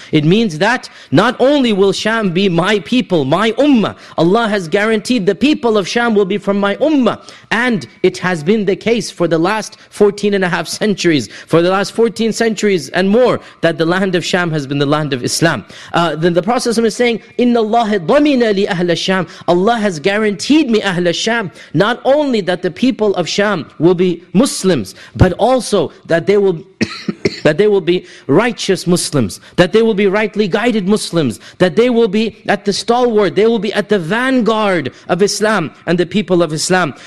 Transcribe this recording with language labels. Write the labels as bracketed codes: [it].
[en] It means that not only will Sham be my people, my ummah, Allah has guaranteed the people of Sham will be from my ummah. And it has been the case for the last 14 and a half centuries, for the last 14 centuries and more, that the land of Sham has been the land of Islam. Then the Prophet is saying, [ar] إِنَّ اللَّهِ ضَمِنَ لِي أَهْلَ الشَّامِ. [en] Allah has guaranteed me [ar] أَهْلَ الشَّامِ. [en] Not only that the people of Sham will be Muslims, but also that they will... that they will be righteous Muslims, that they will be rightly guided Muslims, that they will be at the stalwart, they will be at the vanguard of Islam and the people of Islam.